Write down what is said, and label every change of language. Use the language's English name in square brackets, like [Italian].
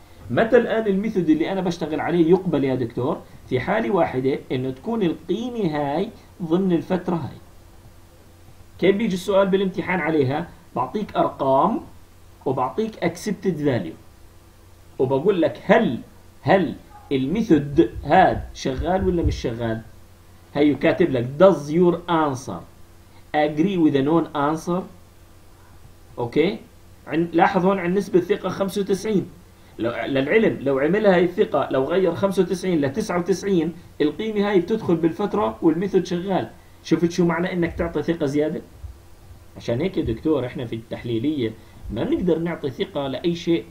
[Arabic] متى الان الميثود اللي انا بشتغل عليه يقبل يا دكتور؟ في حاله واحده، انه تكون القيمه هاي ضمن الفتره هاي. كيف بيجي السؤال بالامتحان عليها؟ بعطيك ارقام وبعطيك اكسبتد فاليو وبقول لك هل الميثود هاد شغال ولا مش شغال. هيو كاتب لك [English] does your answer agree with a known answer. [Arabic] اوكي، لاحظ هون عن نسبه ثقه 95. لو للعلم لو عملها هاي الثقه، لو غير 95 ل 99 القيمه هاي بتدخل بالفتره والميثود شغال. شفت شو معنى انك تعطي ثقه زياده؟ عشان هيك يا دكتور احنا في التحليليه ما بنقدر نعطي ثقه لاي شيء.